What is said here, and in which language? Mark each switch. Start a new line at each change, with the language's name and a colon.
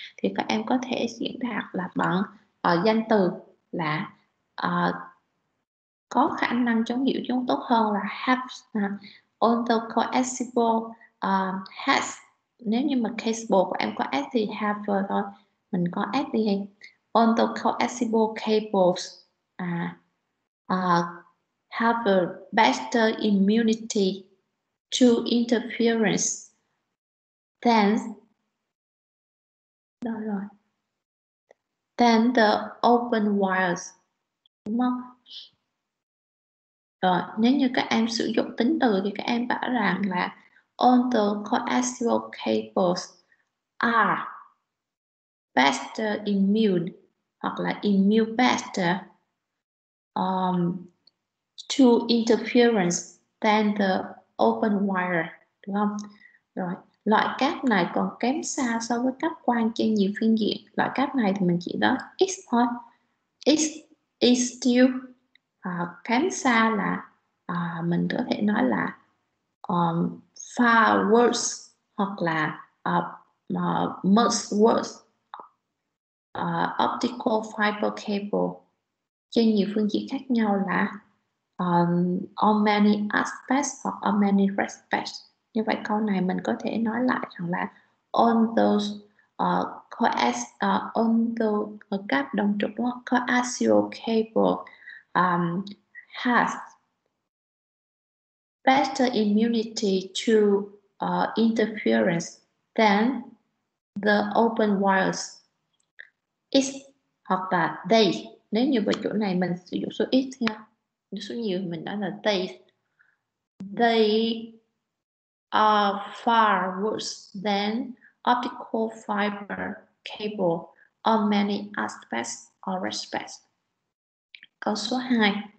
Vietnamese: Thì các em có thể diễn đạt là bằng danh từ là có khả năng chống nhiễu chống tốt hơn là have ha.
English: On the coaxial has,
Vietnamese: nếu như mà cable của em có s thì have rồi thôi, mình có s đi.
English: On the coaxial cables have a better immunity to interference than,
Vietnamese: đó rồi,
English: than the open wires
Vietnamese: đúng không? Rồi, nếu như các em sử dụng tính từ thì các em bảo rằng là
English: on the coaxial cables are better immune, hoặc là immune better to interference than the open wire,
Vietnamese: đúng không? Rồi, loại cáp này còn kém xa so với cáp quang trên nhiều phương diện. Loại cáp này thì mình chỉ đó x thôi.
English: X is still
Vietnamese: kém xa là mình có thể nói là
English: far worse
Vietnamese: hoặc là
English: much worse optical fiber cable
Vietnamese: trên nhiều phương diện khác nhau là
English: on many aspects
Vietnamese: hoặc
English: on many respects.
Vietnamese: Như vậy câu này mình có thể nói lại rằng là
English: on the
Vietnamese: cáp đồng trục đúng không?
English: Coaxial cable has better immunity to interference than the open wires. It
Vietnamese: hoặc là
English: they,
Vietnamese: nếu như ở chỗ này mình sử dụng số ít nha, số nhiều mình nói là
English: they are far worse than optical fiber cable on many aspects or respects.
Vietnamese: Câu số 2.